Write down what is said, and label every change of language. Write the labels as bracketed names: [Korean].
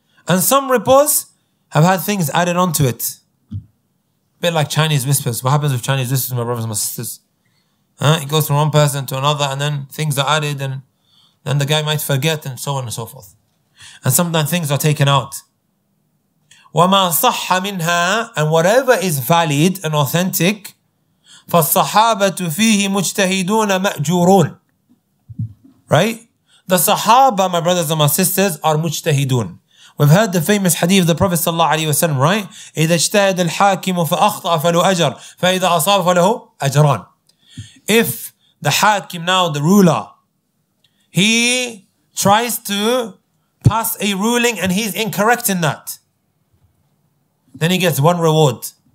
[English] And some reports have had things added onto it. A bit like Chinese whispers. What happens with Chinese whispers, my brothers and my sisters? It goes from one person to another, and then things are added, and then the guy might forget, and so on and so forth. And sometimes things are taken out. [Arabic] وَمَا صَحَّ مِنْهَا, [English] and whatever is valid and authentic, [Arabic] فَالصَّحَابَةُ فِيهِ مُجْتَهِدُونَ مَأْجُورُونَ. [English] Right? The Sahaba, my brothers and my sisters, are مُجْتَهِدُونَ. We've heard the famous hadith of the Prophet sallallahu alaihi wasallam, right? [Arabic] إِذَا اجْتَهَدَ الْحَاكِمُ فَأَخْطَأَ فَلُهُ أَجْرٌ فَإِذَا أَصَابَ فَلَهُ أَجْرَانِ. [English] If the hakim now, the ruler, he tries to pass a ruling and he's incorrect in that, then he gets one reward.